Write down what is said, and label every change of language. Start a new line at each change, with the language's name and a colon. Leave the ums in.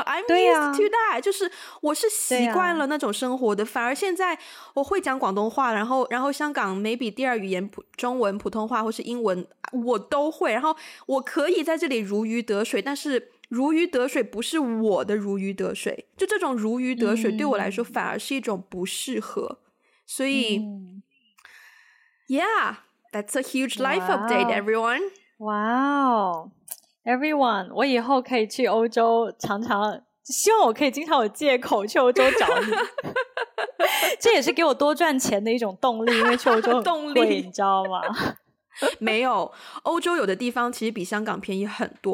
Chinese: 啊、
English: I'm used to that，
Chinese: 就是我是习惯了那种生活的，啊、反而现在我会讲广东话然后，然后香港 maybe 第二语言普中文普通话或是英文我都会。然后我可以在这里如鱼得水，但是如鱼得水不是我的如鱼得水，就这种如鱼得水对我来说反而是一种不适合。
English: 嗯、
Chinese: 所以、
English: 嗯、，Yeah，that's a huge life update, everyone. 哇哦、wow,，everyone！
Chinese: 我以后可以去欧洲，常常希望我可以经常有借口去欧洲找你。这也是给我多赚钱的一种动力，因为去欧洲， 动力你知道吗？没有，欧洲有的地方其实比香港便宜很多。